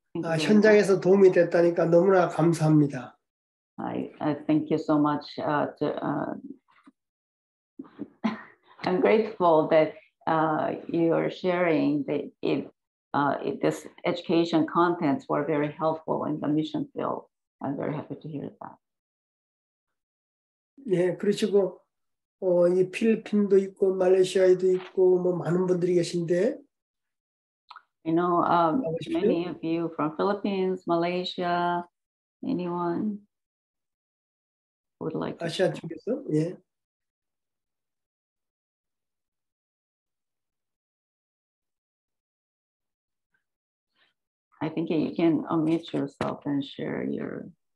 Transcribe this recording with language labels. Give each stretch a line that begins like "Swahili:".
Korean: 아, 현장에서 도움이 됐다니까 너무나 감사합니다.
English: I thank you so much. I'm grateful that you are sharing that it this education contents were very helpful in the mission field. I'm very happy to hear that.
Korean: 예, 그러시고 이 필리핀도 있고 말레이시아에도 있고 뭐 많은 분들이 계신데.
English: You know, many of you from Philippines, Malaysia, anyone would like to.
Korean: 아시아 쪽에서 예.
English: 예. I think you can unmute yourself and share your.